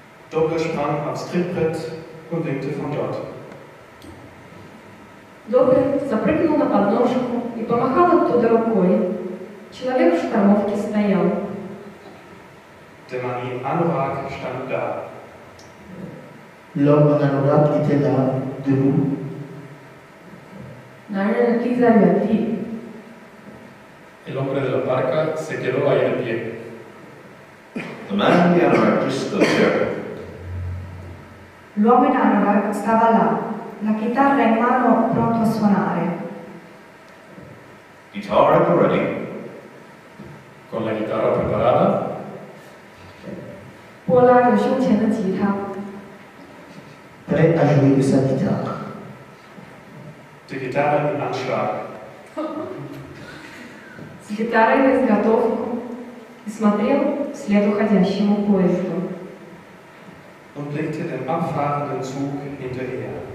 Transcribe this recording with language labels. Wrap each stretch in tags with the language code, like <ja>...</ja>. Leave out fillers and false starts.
<de>Doppler sprang aufs Trittbrett und winkte von dort.</de> <ru>Doppler запрыгнул на подножку и помахал оттуда рукой. Человек в штормовке стоял.</ru> <de>Der Mann im Anorak stand da.</de> <fr>L'homme en Anorak était là, debout.</fr> <zh>男人立在原地.</zh> <es>El hombre de la parca se quedó ahí de pie.</es> <en>The man in the Anorak just stood there.</en> <it>L'uomo in Anorak stava là, la chitarra in mano pronto a suonare.</it> <en>Guitar at the ready.</en> <it>Con la chitarra preparata.</it> <zh>波拉着胸前的吉他.</zh> <fr>Prêt à jouer de sa guitare.</fr> <de>Die Gitarre in Anschlag.</de> <ru>С гитарой на изготовку и смотрел вслед уходящему поезду.</ru> <de>Und blickte den abfahrenden Zug hinterher.</de>